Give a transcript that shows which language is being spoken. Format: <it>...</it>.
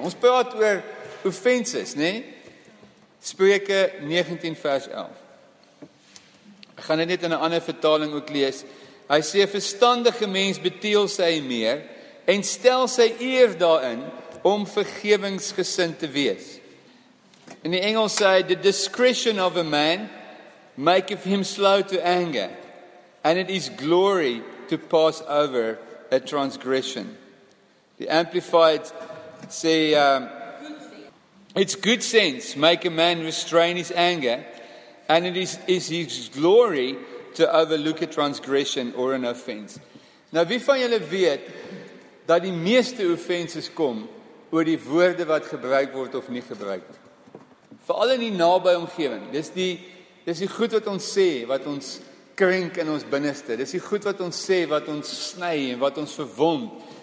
<af>Ons praat oor offenses, nê? Spreuke 19 vers 11. Ek gaan dit net in 'n ander vertaling ook lees. Hy sê, verstandige mens beteel sy meer, en stel sy eer daarin, om vergewingsgesind te wees.</af> <en>And the Engels say, the discretion of a man maketh him slow to anger, and it is glory to pass over a transgression. The Amplified say, it's good sense make a man restrain his anger, and it is his glory to overlook a transgression or an offense.</en> <af>Nou wie van julle weet dat die meeste offenses kom oor die woorde wat gebruik word of nie gebruik word? Vooral in die nabije omgeving. Dis die goed wat ons sê, wat ons krink in ons binneste. Dis die goed wat ons sê, wat ons sny en wat ons verwond.</af>